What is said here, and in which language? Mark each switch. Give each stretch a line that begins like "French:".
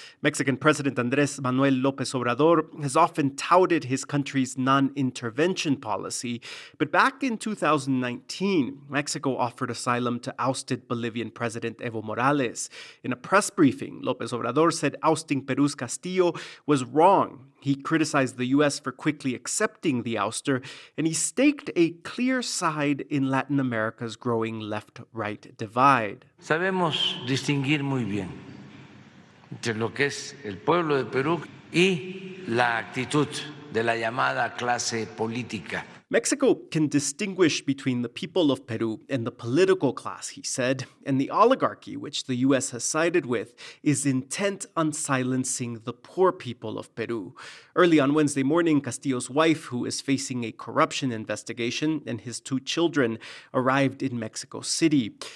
English: Mexican President Andrés Manuel López Obrador has often touted his country's non-intervention policy, but back in 2019, Mexico offered asylum to ousted Bolivian President Evo Morales. In a press briefing, López Obrador said ousting Peru's Castillo was wrong. He criticized the U.S. for quickly accepting the ouster, and he staked a clear side in Latin America's growing left-right divide.
Spanish: Sabemos distinguir muy bien entre lo que es el pueblo de Perú y la actitud de la llamada clase política.
English: Mexico can distinguish between the people of Peru and the political class, he said, and the oligarchy, which the U.S. has sided with, is intent on silencing the poor people of Peru. Early on Wednesday morning, Castillo's wife, who is facing a corruption investigation, and his two children arrived in Mexico City.